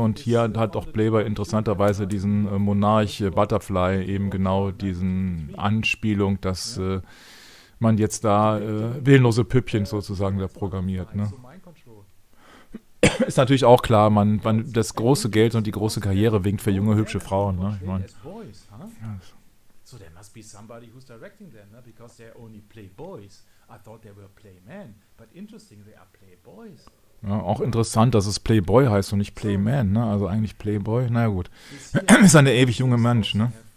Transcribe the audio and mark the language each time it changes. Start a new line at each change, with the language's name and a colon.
German: Und hier hat auch Playboy interessanterweise diesen Monarch Butterfly eben genau diesen Anspielung, dass man jetzt da willenlose Püppchen sozusagen da programmiert, ne? Ist natürlich auch klar, man das große Geld und die große Karriere winkt für junge, hübsche Frauen, ne? Ich meine,
English: so there must be somebody who's directing them, because they're only playboys. I thought they were playmen, but interesting, they are playboys.
German: Ja, auch interessant, dass es Playboy heißt und nicht Playman, ne? Also eigentlich Playboy, na ja, gut. Ist ein ewig junge Mensch, ne?